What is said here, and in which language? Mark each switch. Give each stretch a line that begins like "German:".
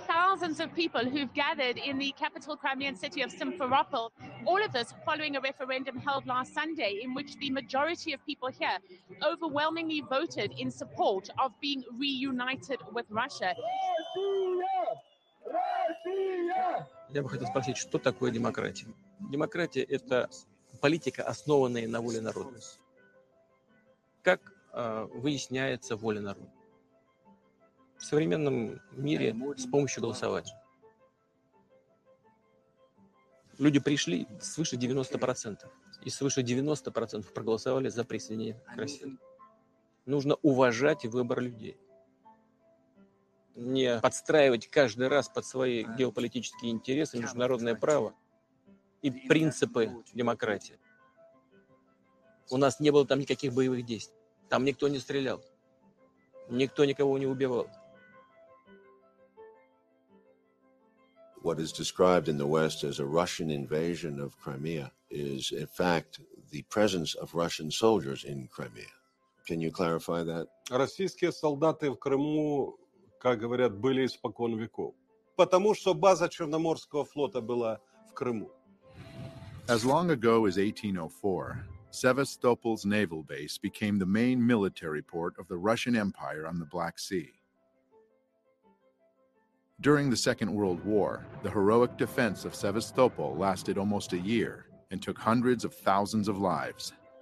English: Thousands of people who've gathered in the capital Crimean city of Simferopol, all of this following a referendum held last Sunday in which the majority of people here overwhelmingly voted in support of being reunited with Russia.
Russian: Я бы хотел спросить, что такое демократия? Демократия – это политика, основанная на воле народа. Как выясняется воля народа? В современном мире с помощью голосования. Люди пришли свыше 90%. И свыше 90% проголосовали за присоединение к России. Нужно уважать выбор людей. Не подстраивать каждый раз под свои геополитические интересы, международное право и принципы демократии. У нас не было там никаких боевых действий. Там никто не стрелял. Никто никого не убивал.
English: What is described in the West as a Russian invasion of Crimea is, in fact, the presence of Russian soldiers in Crimea. Can you clarify that?
Russian: Российские солдаты в Крыму, как говорят, были испокон веков, потому что база Черноморского флота была в Крыму.
English: As long ago as 1804, Sevastopol's naval base became the main military port of the Russian Empire on the Black Sea. During the Second World War, the heroic defense of Sevastopol lasted almost a year and took hundreds of thousands of lives.